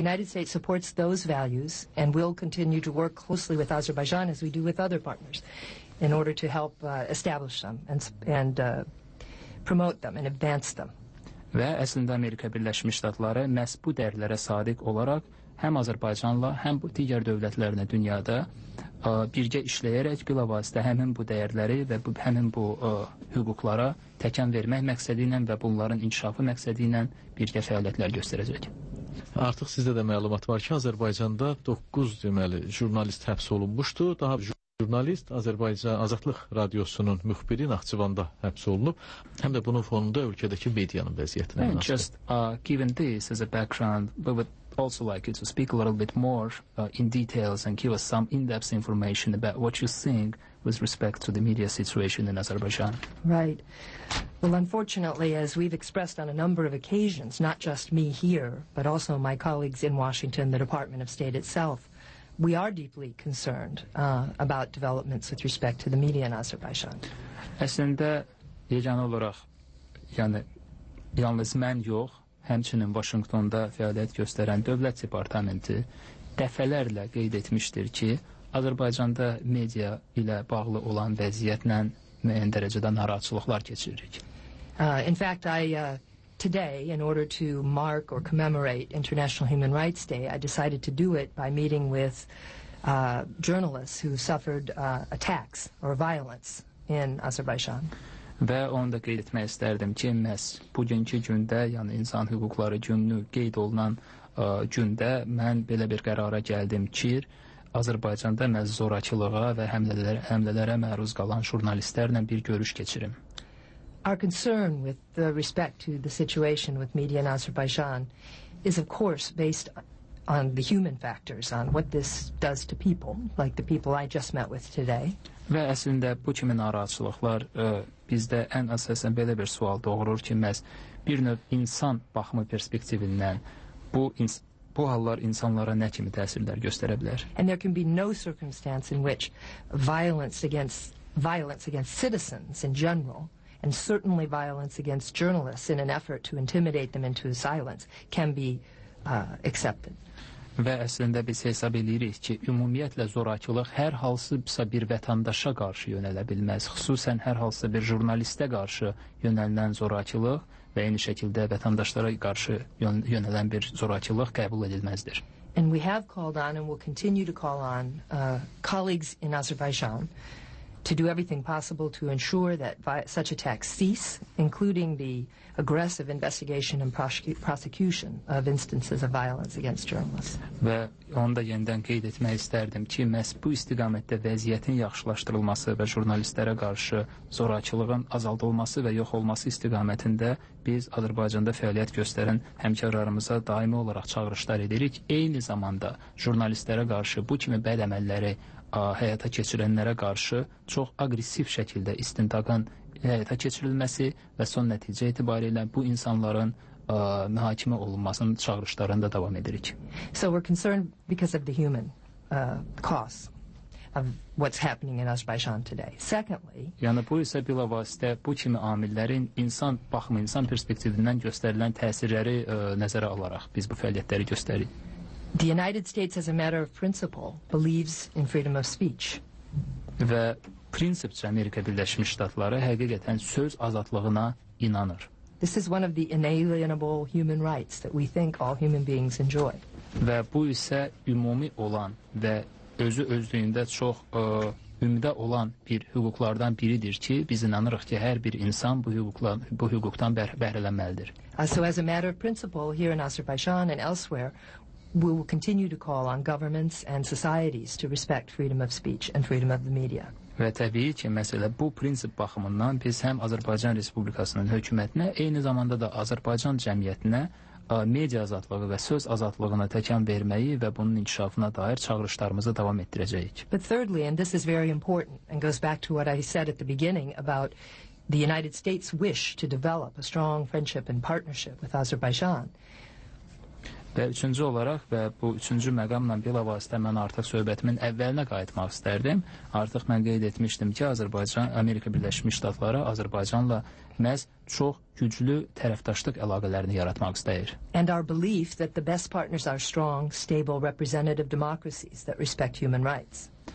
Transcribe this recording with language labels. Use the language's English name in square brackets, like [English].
[English] The United States supports those values and will continue to work closely with Azerbaijan as we do with other partners in order to help establish them and promote them and advance them. [Azerbaijani] Və əslində Amerika Birləşmiş Ştatları məhz bu dəyərlərə sadiq olaraq həm Azərbaycanla, həm bu digər dövlətlərlə dünyada birgə işləyərək bilavasitə həmin bu dəyərləri və bu həmin bu hüquqlara təkan vermək məqsədi ilə və bunların inkişafı məqsədi ilə birgə fəaliyyətlər göstərəcək. Artıq sizdə də məlumat var ki, Azərbaycanda 9 deməli jurnalist həbs olunmuşdu. Daha jurnalist Azərbaycan Azadlıq Radiosunun müxbiri Naxçıvanda həbs olunub. Həm də bunun fonunda ölkədəki medianın vəziyyətinə nəzər. [English] Just given this as a background, but with also like you to speak a little bit more in details and give us some in-depth information about what you think with respect to the media situation in Azerbaijan. Right. Well, unfortunately, as we've expressed on a number of occasions, not just me here, but also my colleagues in Washington, the Department of State itself, we are deeply concerned about developments with respect to the media in Azerbaijan. [Azerbaijani] Əslində, yeganə olaraq, yəni, yalnız mən yox, həmçinin Vaşinqtonda fəaliyyət göstərən Dövlət Departamenti dəfələrlə qeyd etmişdir ki, Azərbaycanda media ilə bağlı olan vəziyyətlə müəyyən dərəcədə narahatçılıqlar keçiririk. [English] In fact, today, in order to mark or commemorate International Human Rights Day, I decided to do it by meeting with journalists who suffered attacks or violence in Azerbaijan. [Azerbaijani] Və onu da qeyd etmək istərdim ki, məhz bugünkü gündə, yəni İnsan Hüquqları Günü qeyd olunan gündə mən belə bir qərara gəldim ki, Azərbaycanda məhz zorakılığa və həmlələrə məruz qalan jurnalistlərlə bir görüş keçirim. [English] Our concern with the respect to the situation with media in Azerbaijan is, of course, based on the human factors, on what this does to people, like the people I just met with today. [Azerbaijani] Və əslində bu kimi narahatçılıqlar bizdə ən əsasən belə bir sual doğurur ki, məhz bir növ insan baxımı perspektivindən bu hallar insanlara nə kimi təsirlər göstərə bilər? [English] And there can be no circumstance in which violence against citizens in general, and certainly violence against journalists in an effort to intimidate them into silence, can be accepted. [Azerbaijani] Və əslində biz hesab edirik ki, ümumiyyətlə zorakılıq hər hansısa bir vətəndaşa qarşı yönələ bilməz, xüsusən hər hansısa bir jurnalistə qarşı yönələn zorakılıq və eyni şəkildə vətəndaşlara qarşı yönələn bir zorakılıq qəbul edilməzdir. [English] And we have called on and will continue to call on colleagues in Azerbaijan to do everything possible to ensure that such attacks cease, including the aggressive investigation and prosecution of instances of violence against journalists. [Azerbaijani] Və onu da yenidən qeyd etmək istərdim ki, məhz bu istiqamətdə vəziyyətin yaxşılaşdırılması və jurnalistlərə qarşı zorakılığın azaldılması və yox olması istiqamətində biz Azərbaycanda fəaliyyət göstərən həmkarlarımıza daimi olaraq çağırışlar edirik. Eyni zamanda jurnalistlərə qarşı bu kimi bəd əməlləri həyata keçirənlərə qarşı çox aqressiv şəkildə istintaqın həyata keçirilməsi və son nəticə itibarilə bu insanların məhkəmə olunmasının çağırışlarında davam edirik. [English] So we're concerned because of the human cost of what's happening in Azerbaijan today. Secondly, [Azerbaijani] yəni bu isə bilavasitə bu kimi amillərin insan baxımı, insan perspektivindən göstərilən təsirləri nəzərə alaraq biz bu fəaliyyətləri göstəririk. [English] The United States, as a matter of principle, believes in freedom of speech. [Azerbaijani] Və prinsipcə Amerika Birləşmiş Ştatları həqiqətən söz azadlığına inanır. [English] This is one of the inalienable human rights that we think all human beings enjoy. [Azerbaijani] Və bu isə ümumi olan və özü özlüyündə çox ümidə olan bir hüquqlardan biridir ki, biz inanırıq ki, hər bir insan bu hüquqdan bəhrələnməlidir. [English] So as a matter of principle, here in Azerbaijan and elsewhere, we will continue to call on governments and societies to respect freedom of speech and freedom of the media. [Azerbaijani] Və təbii ki, məsələ bu prinsip baxımından biz həm Azərbaycan Respublikasının hökumətinə, eyni zamanda da Azərbaycan cəmiyyətinə media azadlığı və söz azadlığına təkan verməyi və bunun inkişafına dair çağırışlarımızı davam etdirəcəyik. [English] But thirdly, and this is very important and goes back to what I said at the beginning about the United States' wish to develop a strong friendship and partnership with Azerbaijan. [Azerbaijani] Və üçüncü olaraq və bu üçüncü məqamla bilavasitə mən artıq söhbətimin əvvəlinə qayıtmaq istərdim. Artıq mən qeyd etmişdim ki, Azərbaycan, Amerika Birləşmiş Ştatları Azərbaycanla məhz çox güclü tərəfdaşlıq əlaqələrini yaratmaq istəyir. [English] And our belief that the best partners are strong, stable, representative democracies that respect human rights.